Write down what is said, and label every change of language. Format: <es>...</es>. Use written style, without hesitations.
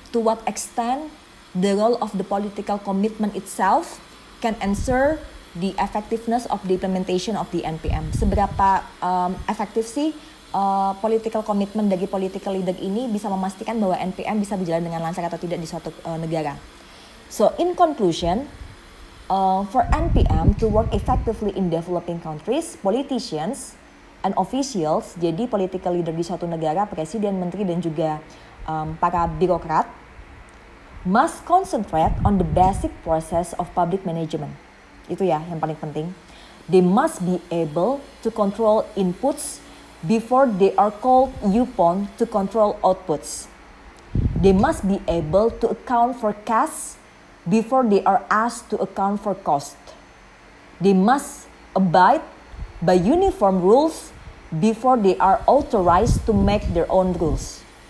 <en>To what extent the role of the political commitment itself can ensure the effectiveness of the implementation of the NPM.</en> <id>Seberapa efektif sih political commitment dari political leader ini bisa memastikan bahwa NPM bisa berjalan dengan lancar atau tidak di suatu negara.</id> <en>So in conclusion, for NPM to work effectively in developing countries, politicians and officials,</en> <id>jadi political leader di suatu negara, presiden, menteri, dan juga para birokrat,</id> <en>must concentrate on the basic process of public management.</en> <id>Itu ya yang paling penting.</id> <en>They must be able to control inputs before they are called upon to control outputs. They must be able to account for costs before they are asked to account for cost. They must abide by uniform rules before they are authorized to make their own rules.</en>